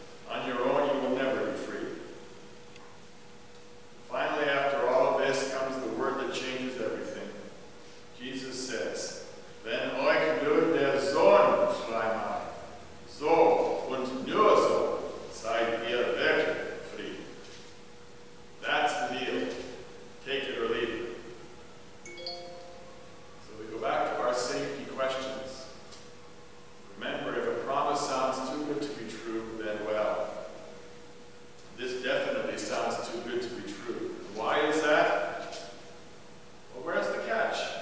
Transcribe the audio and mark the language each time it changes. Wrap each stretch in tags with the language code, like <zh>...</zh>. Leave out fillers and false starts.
<en>On your own, you will never be free. Finally, after all this, comes the word that changes everything. Jesus says,</en> <de>Wenn euch nur der Sohn frei macht, so und nur so seid ihr wirklich</de> <en>free. That's the deal. Take it or leave it. So we go back to our safety questions. Remember, if a promise sounds too good to be true, then well. This definitely sounds too good to be true. Why is that? Well, where's the catch?</en>